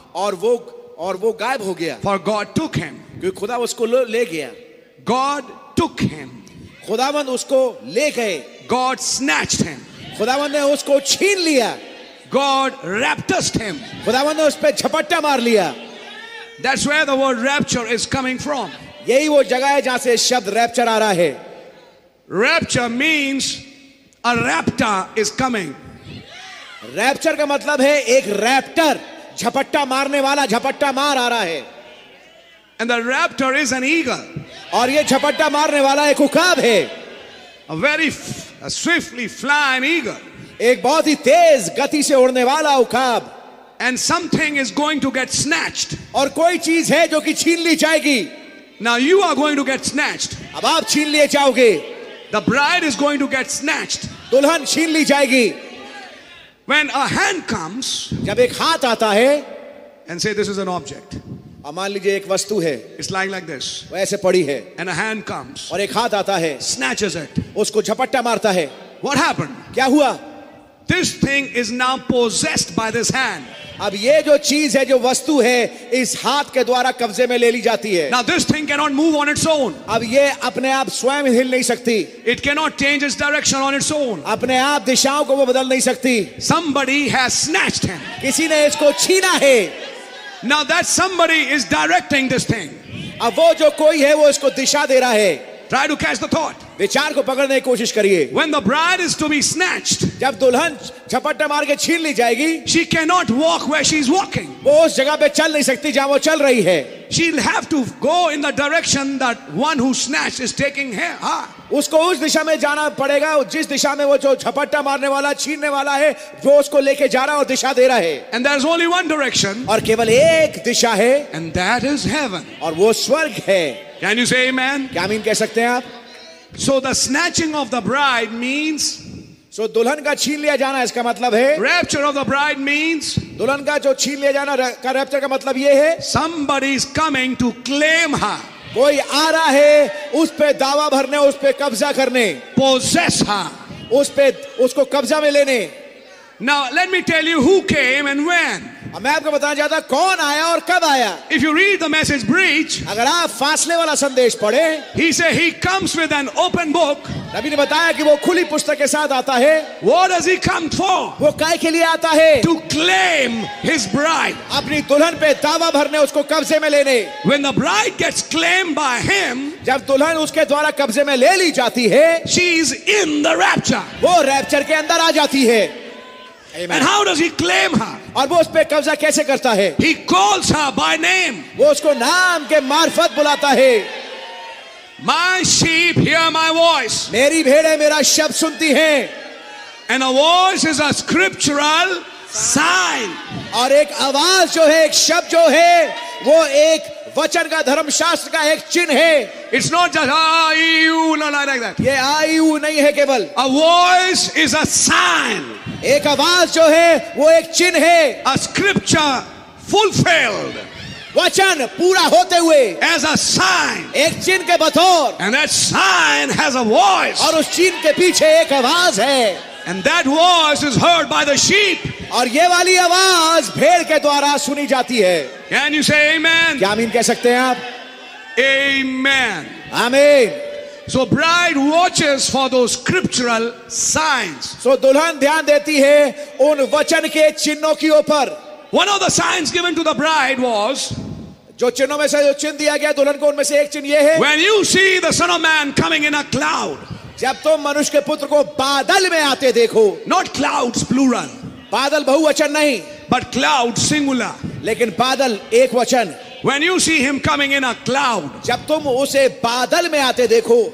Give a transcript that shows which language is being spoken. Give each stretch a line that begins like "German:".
Hindi: और वो गायब हो गया.
English: For God took him.
Hindi: क्योंकि खुदा उसको ले गया.
English: God took him.
Hindi: खुदावंद उसको ले गए.
English: God snatched him.
Hindi: खुदावंद ने उसको छीन लिया.
English: God raptured him.
Hindi: खुदावंद ने उस पे झपट्टा मार लिया.
English: That's where the word rapture is coming from.
Hindi: यही वो जगह है जहां से शब्द रैप्चर आ रहा है.
English: Rapture means a raptor is coming.
Hindi: Rapture का मतलब है एक रैप्टर, झपट्टा मारने वाला झपट्टा मार आ रहा है.
English: And the raptor is an eagle.
Hindi: और ये झपट्टा मारने वाला एक उकाब है.
English: A very swiftly flying eagle.
Hindi: एक बहुत ही तेज गति से उड़ने वाला उकाब.
English: And something is going to get snatched.
Hindi: और कोई चीज है जो कि छीन ली जाएगी.
English: Now you are going to get snatched.
Hindi: अब आप छीन लिए जाओगे.
English: The bride is going to get snatched.
Hindi: दुल्हन छीन ली जाएगी.
English: When a hand comes,
Hindi: जब एक हाथ आता है,
English: and say this is an object.
Hindi: अब मान लीजिए एक वस्तु है.
English: It's lying like this.
Hindi: वो ऐसे पड़ी है.
English: And a hand comes.
Hindi: और एक हाथ आता है.
English: Snatches it.
Hindi: उसको झपट्टा मारता है.
English: What happened?
Hindi: क्या हुआ?
English: This thing is now possessed by this hand.
Hindi: अब ये जो चीज है, जो वस्तु है, इस हाथ के द्वारा कब्जे में ले ली जाती है.
English: Now this thing cannot move on its own.
Hindi: अब ये अपने आप स्वयं हिल नहीं सकती.
English: It cannot change its direction on its own.
Hindi: अपने आप दिशाओं को वो बदल नहीं सकती.
English: Somebody has snatched him.
Hindi: किसी ने इसको छीना है.
English: Now that somebody is directing this thing.
Hindi: अब वो जो कोई है वो इसको दिशा दे रहा है.
English: Try to catch the thought.
Hindi: विचार को पकड़ने की कोशिश करिए.
English: When the bride is to be snatched,
Hindi: जब दुल्हन झपट्टा मार के छीन ली जाएगी,
English: she cannot walk where she is walking.
Hindi: वो उस जगह पे चल नहीं सकती जहां वो चल रही है.
English: She'll have to go in the direction that one who snatched is taking her.
Hindi: हाँ. उसको उस दिशा में जाना पड़ेगा जिस दिशा में वो जो झपट्टा मारने वाला छीनने वाला है वो उसको लेके जा रहा है और दिशा दे रहा है.
English: And there's only one direction.
Hindi: और केवल एक दिशा है.
English: And that is heaven.
Hindi: और वो स्वर्ग है.
English: Can you say amen?
Hindi: क्या आमीन कह सकते हैं आप?
English: So the snatching of the bride means.
Hindi: So दुल्हन का छीन लिया जाना इसका मतलब है.
English: Rapture of the bride means.
Hindi: दुल्हन का जो छीन लिया जाना का रैप्चर का मतलब ये है.
English: Somebody is coming to claim her.
Hindi: कोई आ रहा है उस पे दावा भरने, उस पे कब्जा करने.
English: Possess her.
Hindi: उस पे उसको कब्जा में लेने.
English: Now let me tell you who came and when.
Hindi: मैं आपको बताना चाहता हूँ कौन आया और कब आया.
English: If you read the message breach,
Hindi: अगर आप फासले वाला संदेश पढ़े,
English: he say he comes with an open book.
Hindi: नबी ने बताया कि वो खुली पुस्तक के साथ आता है.
English: What does he come for?
Hindi: वो काय के लिए आता है?
English: To claim his bride.
Hindi: अपनी दुल्हन पे दावा भरने, उसको कब्जे में लेने.
English: When the bride gets claimed by him,
Hindi: जब दुल्हन उसके द्वारा कब्जे में ले ली जाती है,
English: she is in the rapture.
Hindi: वो रैप्चर के अंदर आ जाती है.
English: Amen. And how does he claim her?
Hindi: और वो उस पे कब्जा कैसे करता है?
English: He calls her by name.
Hindi: वो उसको नाम के मार्फत बुलाता है.
English: My sheep hear my voice.
Hindi: मेरी भेड़ें मेरा शब्द सुनती हैं.
English: And a voice is a scriptural sign.
Hindi: और एक आवाज जो है, एक शब्द जो है, वो एक वचन का, धर्मशास्त्र का एक चिन्ह है.
English: It's not just I-U,
Hindi: ये I-U नहीं है केवल.
English: A voice is a sign.
Hindi: एक आवाज जो है वो एक चिन्ह है.
English: A scripture fulfilled.
Hindi: वचन पूरा होते हुए.
English: As a sign.
Hindi: एक चिन्ह के बतौर.
English: And that sign has a voice.
Hindi: और उस चिन्ह के पीछे एक आवाज है.
English: And that voice is heard by the sheep.
Hindi: और ये वाली आवाज भेड़ के द्वारा सुनी जाती है.
English: Can you say amen?
Hindi: क्या आमीन कह सकते हैं आप?
English: Amen.
Hindi: आमीन.
English: So bride watches for those scriptural signs.
Hindi: So दुल्हन ध्यान देती है उन वचन के चिन्हों के ऊपर.
English: One of the signs given to the bride was.
Hindi: जो चिन्हों में से जो चिन्ह दिया गया दुल्हन को, उनमें से एक चिन्ह ये है.
English: When you see the Son of Man coming in a cloud.
Hindi: जब तुम मनुष्य के पुत्र को बादल में आते देखो.
English: Not clouds plural.
Hindi: बादल बहुवचन नहीं.
English: But cloud singular.
Hindi: लेकिन बादल एक वचन.
English: When you see him coming in a cloud,
Hindi: जब तुम उसे बादल में आते देखो,